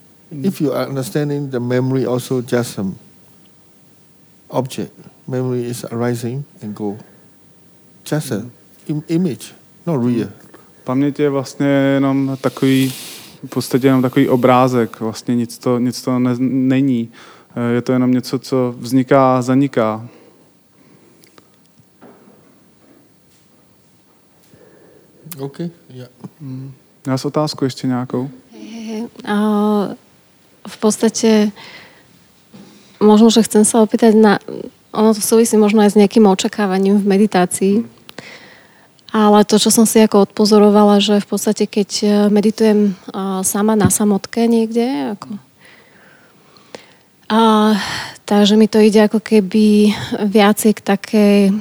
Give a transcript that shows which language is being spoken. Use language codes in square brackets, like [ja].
[en] If you are understanding the memory also just an object, memory is arising and go. Just an image, not real. [cs] Paměť je vlastně jenom takový, v podstatě jenom takový obrázek, vlastně nic to není. Je to jenom něco, co vzniká a zaniká. [en] OK, yeah. [cs] Já s otázku ještě nějakou. [sk] A v podstate možno, že chcem sa opýtať na, ono to súvisí možno aj s nejakým očakávaním v meditácii, ale to, čo som si ako odpozorovala, že v podstate keď meditujem sama na samotke niekde, ako, a takže mi to ide ako keby viacej k takej